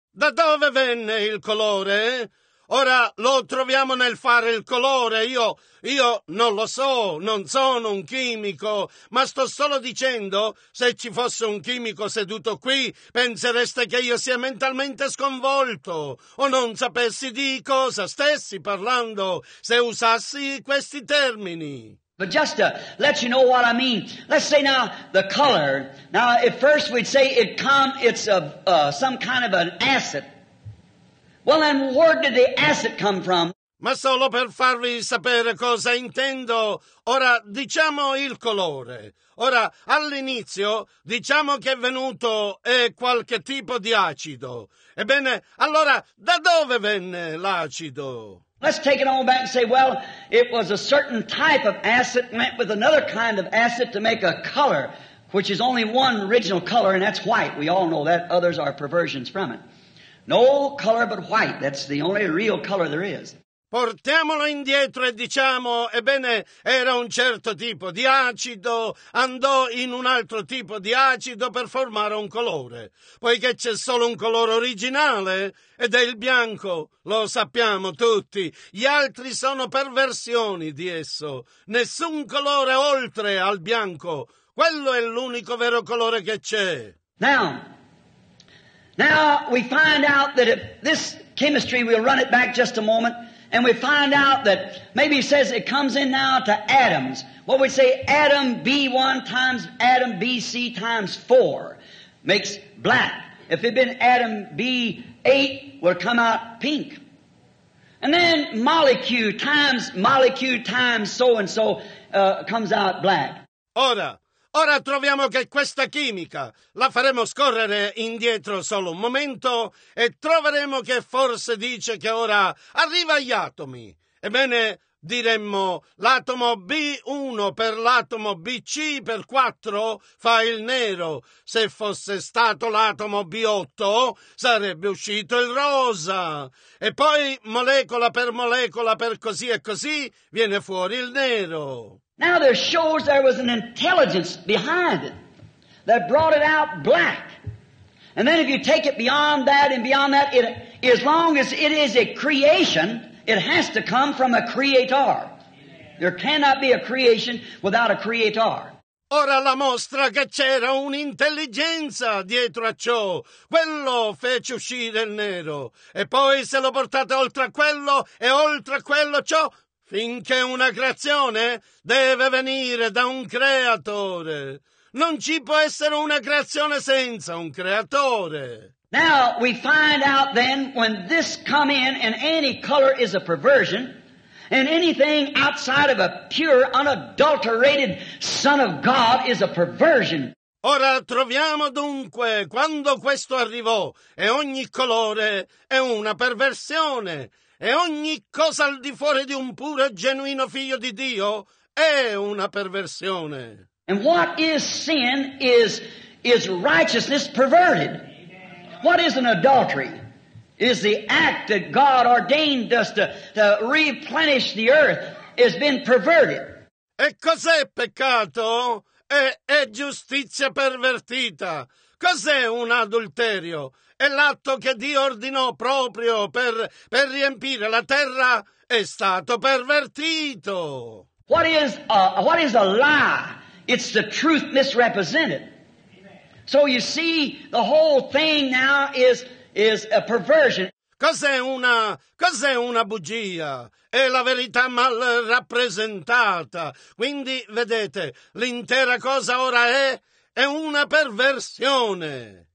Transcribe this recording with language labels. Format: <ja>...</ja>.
<it>Da dove venne il colore? Ora lo troviamo nel fare il colore. Io non lo so, non sono un chimico, ma sto solo dicendo, se ci fosse un chimico seduto qui, pensereste che io sia mentalmente sconvolto o non sapessi di cosa stessi parlando se usassi questi termini.</it> <en>But just to let you know what I mean, let's say now the color. Now at first we'd say it's some kind of an acid. Well, then, where did the acid come from?</en> <it>Ma solo per farvi sapere cosa intendo, ora diciamo il colore. Ora, all'inizio, diciamo che è venuto qualche tipo di acido. Ebbene, allora, da dove venne l'acido?</it> <en>Let's take it on back and say, well, it was a certain type of acid went with another kind of acid to make a color, which is only one original color, and that's white. We all know that. Others are perversions from it. No color but white, that's the only real color there is.</en> <it>Portiamolo indietro e diciamo, ebbene, era un certo tipo di acido, andò in un altro tipo di acido per formare un colore, poiché c'è solo un colore originale, ed è il bianco, lo sappiamo tutti, gli altri sono perversioni di esso, nessun colore oltre al bianco, quello è l'unico vero colore che c'è.</it> <en>Now we find out that if this chemistry, we'll run it back just a moment, and we find out that maybe it says it comes in now to atoms. Well, we say atom B1 times atom BC times 4 makes black. If it'd been atom B8, would come out pink. And then molecule times so-and-so comes out black.</en> <it>Ora. Ora troviamo che questa chimica, la faremo scorrere indietro solo un momento e troveremo che forse dice che ora arriva agli atomi. Ebbene, diremmo l'atomo B1 per l'atomo BC per 4 fa il nero. Se fosse stato l'atomo B8 sarebbe uscito il rosa. E poi molecola, per così e così, viene fuori il nero.</it> <en>Now there shows there was an intelligence behind it that brought it out black. And then if you take it beyond that and beyond that, it, as long as it is a creation, it has to come from a creator. There cannot be a creation without a creator.</en> <it>Ora la mostra che c'era un'intelligenza dietro a ciò. Quello fece uscire il nero. E poi se lo portate oltre a quello e oltre a quello ciò, finché una creazione deve venire da un creatore. Non ci può essere una creazione senza un creatore.</it> <en>Now we find out then when this come in and any color is a perversion and anything outside of a pure, unadulterated Son of God is a perversion.</en> <it>Ora troviamo dunque quando questo arrivò e ogni colore è una perversione. E ogni cosa al di fuori di un puro e genuino figlio di Dio è una perversione.</it> <en>And what is sin is righteousness perverted. What is an adultery? Is the act that God ordained us to replenish the earth has been perverted.</en> <it>E cos'è peccato? È giustizia pervertita. Cos'è un adulterio? È l'atto che Dio ordinò proprio per riempire la terra è stato pervertito.</it> <en>What is a lie? It's the truth misrepresented. So you see, the whole thing now is a perversion.</en> <it>Cos'è una bugia? È la verità mal rappresentata. Quindi vedete, l'intera cosa ora è una perversione.</it>